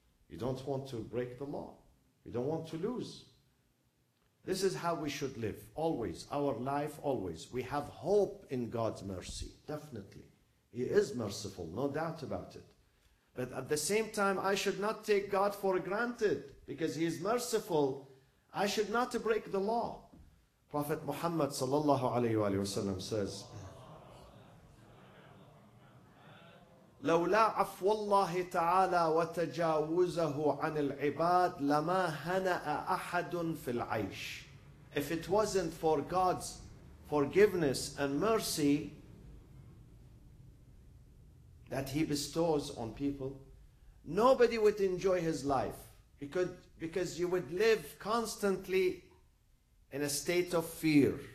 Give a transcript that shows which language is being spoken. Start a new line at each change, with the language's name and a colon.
English: You don't want to break the law. You don't want to lose. This is how we should live, always, our life, always. We have hope in God's mercy, definitely. He is merciful, no doubt about it. But at the same time, I should not take God for granted because He is merciful. I should not break the law. Prophet Muhammad
Arabic: sallallahu alayhi wa sallam
English: says,
Arabic: لولا عفو الله تعالى وتجاوزه عن العباد لما هنأ أحد في العيش.
English: If it wasn't for God's forgiveness and mercy that He bestows on people, nobody would enjoy his life because you would live constantly in a state of fear.